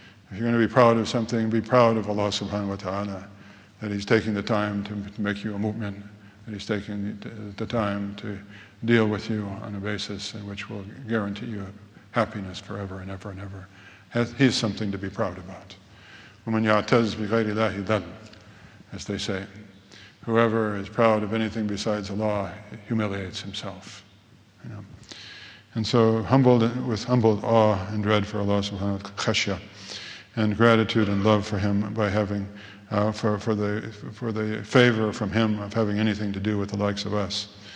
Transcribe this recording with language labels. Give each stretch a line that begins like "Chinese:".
English: If you're going to be proud of something, be proud of Allah subhanahu wa ta'ala, that He's taking the time to make you a mu'min, that He's taking the time to deal with you on a basis in which will guarantee you happiness forever and ever and ever. He's something to be proud about.
Arabic: وَمَنْ يَعْتَزْ بِغَيْرِ اللَّهِ ذَلْ,
English: as they say. Whoever is proud of anything besides Allah humiliates himself. You know? And so, humbled with humbled awe and dread for Allah subhanahu wa ta'ala, khashya, and gratitude and love for Him by having for the favor from Him of having anything to do with the likes of us.